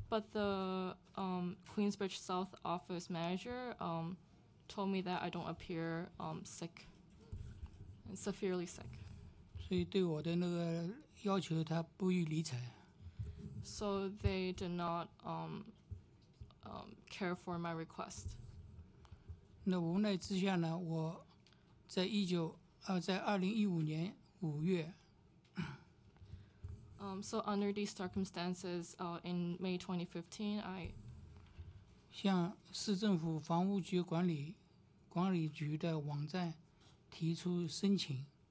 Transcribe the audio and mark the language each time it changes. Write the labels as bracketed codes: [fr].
[en] But the Queensbridge South office manager told me that I don't appear sick, and severely sick. [zh] 所以对我的那个要求，他不予理睬。 [en] So they did not care for my request. [zh] 那无奈之下呢，我在2015年5月。 [en] So under these circumstances, in May 2015, [zh] 向市政府房屋局管理局的网站提出申请。